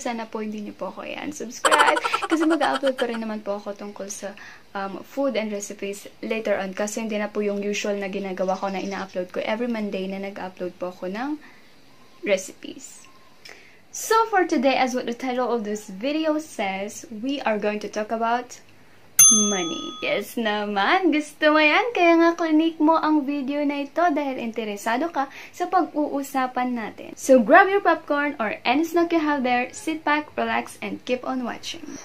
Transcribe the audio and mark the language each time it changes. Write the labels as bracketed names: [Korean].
[Filipino] Sana po hindi niyo po ako i-unsubscribe kasi mag-upload pa rin naman po ako tungkol sa food and recipes later on, kasi hindi na po yung usual na ginagawa ko na ina-upload ko every Monday na nag-upload po ako ng recipes. [English] So for today, as what the title of this video says, we are going to talk about money. [Filipino] Yes naman! Gusto mo yan? Kaya nga klinik mo ang video na ito dahil interesado ka sa pag-uusapan natin. [English] So grab your popcorn or any snack you have there, sit back, relax, and keep on watching.